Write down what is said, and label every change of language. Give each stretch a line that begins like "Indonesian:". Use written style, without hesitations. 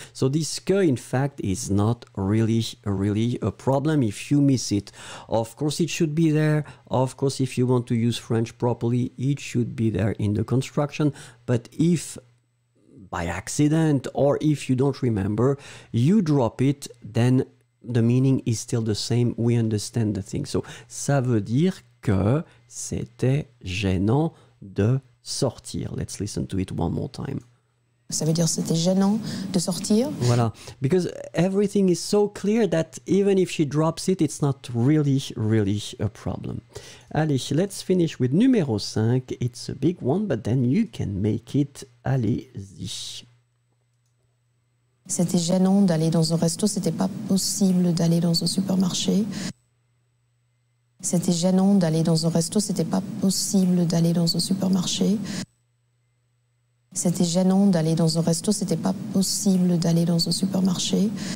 English: So, this que, in fact, is not really, really a problem if you miss it. Of course, it should be there. Of course, if you want to use French properly, it should be there in the construction. But if, by accident, or if you don't remember, you drop it, then the meaning is still the same. We understand the thing.
French: So, ça veut dire que c'était gênant de sortir.
English: Let's listen to it one more time.
French: Ça veut dire c'était gênant de sortir. Voilà.
English: Because everything is so clear that even if she drops it, it's not really, really a problem. Allez, let's finish with numéro 5. It's a big one, but then you can make it.
French: Allez-y. C'était gênant d'aller dans un resto, c'était pas possible d'aller dans un supermarché. C'était gênant d'aller dans un resto, c'était pas possible d'aller dans un supermarché. C'était gênant d'aller dans un resto, c'était pas possible d'aller dans un supermarché.